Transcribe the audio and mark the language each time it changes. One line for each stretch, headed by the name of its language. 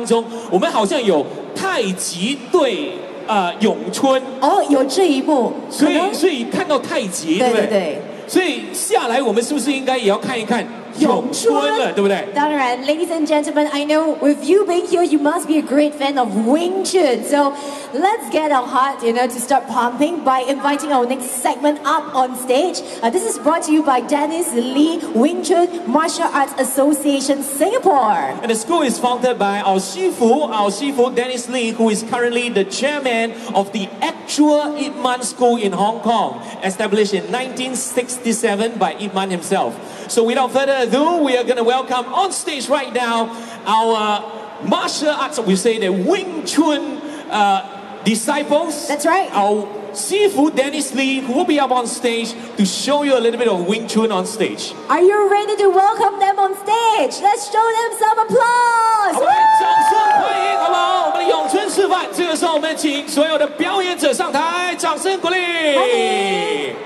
Chinese: 是的，我们刚刚看到的是太极拳的这个特别示范表演啊，这是因为我们知道这一次在这个叶问四完结篇当中，我们好像有太极对。咏春哦，有这一幕，所以看到太极，对不对？所以下来我们是不是应该也要看一看？咏春了，对不对？当然，
English: ladies and gentlemen, I know with you being here, you must be a great fan of Wing Chun. So let's get our heart, you know, to start pumping by inviting our next segment up on stage. This is brought to you by Dennis Lee Wing Chun Martial Arts Association Singapore. And the school is founded by our Shifu Dennis Lee, who is currently the chairman of the actual Ip Man School in Hong Kong, established in 1967 by Ip Man himself. So without further ado, we are going to welcome on stage right now our martial arts, we say the Wing Chun disciples. That's right. Our Sifu Dennis Lee, who will be up on stage to show you a little bit of Wing Chun on stage. Are you ready to welcome them on stage? Let's show them some applause.
Chinese: Okay,掌声欢迎好不好？我们的咏春示范，这个时候我们请所有的表演者上台，掌声鼓励。